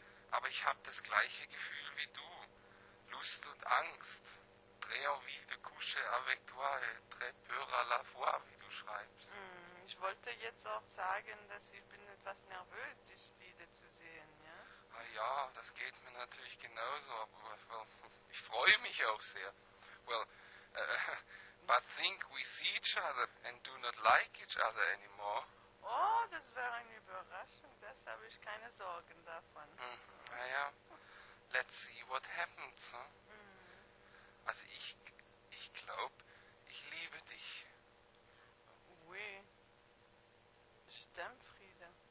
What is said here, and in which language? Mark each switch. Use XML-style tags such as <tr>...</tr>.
<de>Aber ich hab das gleiche Gefühl wie du. Lust und Angst.</de> <fr>Très envie de coucher avec toi et très peur à la fois,</fr> <de>wie du schreibst. Ich wollte jetzt auch sagen, dass ich bin etwas nervös, dich wiederzusehen, ja? Ah ja, das geht mir natürlich genauso, aber ich freue mich auch sehr.</de> <en>Well, but think we see each other and do not like each other anymore.</en> <de>Oh, das wäre eine Überraschung, das habe ich keine Sorgen davon. Naja,</de> <en>let's see what happens, huh?</en> <de>Also ich glaube, ich liebe dich. Oui. Stimmt, Frieda.</de>